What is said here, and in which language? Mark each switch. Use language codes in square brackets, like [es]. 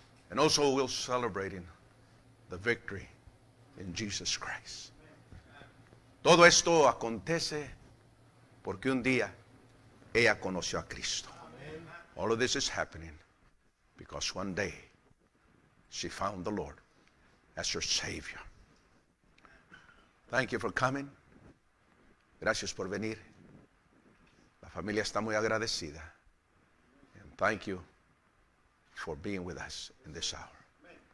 [en] And also we're celebrating the victory in Jesus Christ. [es] Todo esto acontece porque un día ella conoció a Cristo. [en] All of this is happening because one day she found the Lord as her Savior. Thank you for coming. [es] Gracias por venir. La familia está muy agradecida. [en] And thank you for being with us in this hour.